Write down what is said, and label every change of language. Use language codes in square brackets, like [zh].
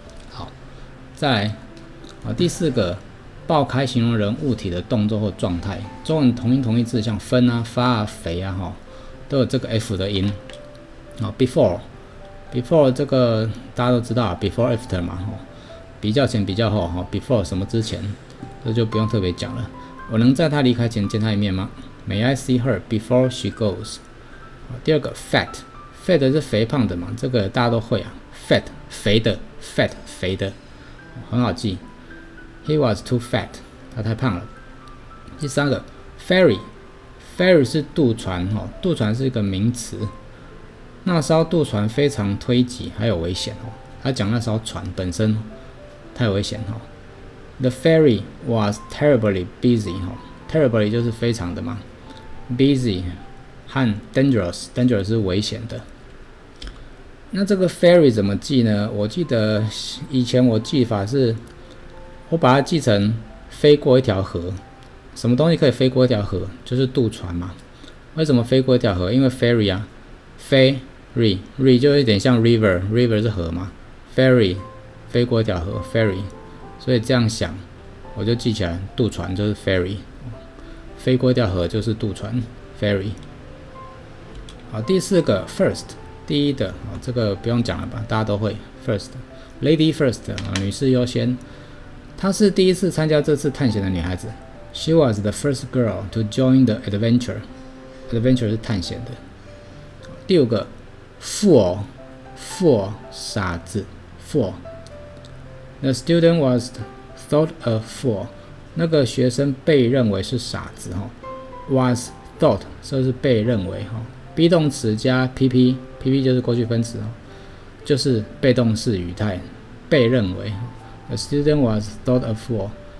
[zh] 好，再来第四个，爆开形容人物体的动作或状态，中文同音同义字像分啊、发啊、肥啊，都有这个 F 的音。 Before 这个大家都知道 ，before after 嘛，比较前比较后 ，before 什么之前，这就不用特别讲了。我能在她离开前见她一面吗 ？ [en] May I see her before she goes？ [zh] 第二个 fat 是肥胖的嘛，这个大家都会啊 ，fat 肥的 ，fat 肥的，很好记。 [en] He was too fat， [zh] 他太胖了。第三个 ，ferry 是渡船哦，渡船是一个名词。那艘渡船非常推挤，还有危险哦。他讲那艘船本身太危险哦。 [en] The ferry was terribly busy 哦 ，terribly [zh] 就是非常的嘛 [en] ，busy 和 dangerous [zh] 是危险的。那这个 ferry 怎么记呢？我记得以前我记法是。我把它记成飞过一条河，什么东西可以飞过一条河？就是渡船嘛。为什么飞过一条河？因为 ferry 啊 ，ferry 就有点像 river 是河嘛 ，ferry 飞过一条河 ，ferry， 所以这样想，我就记起来，渡船就是 ferry， 飞过一条河就是渡船 ，ferry。好，第四个 first， 第一的，这个不用讲了吧，大家都会 ，first， [en] lady first， [zh] 女士优先。她是第一次参加这次探险的女孩子。 [en] She was the first girl to join the adventure. [zh] Adventure 是探险的。第五个 ，fool， 傻子 ，fool。 [en] The student was thought a fool. [zh] 那个学生被认为是傻子哈。Was thought， 这是被认为哈。 be 动词加 PP 就是过去分词哈，就是被动式语态，被认为。 [en] The student was thought a fool.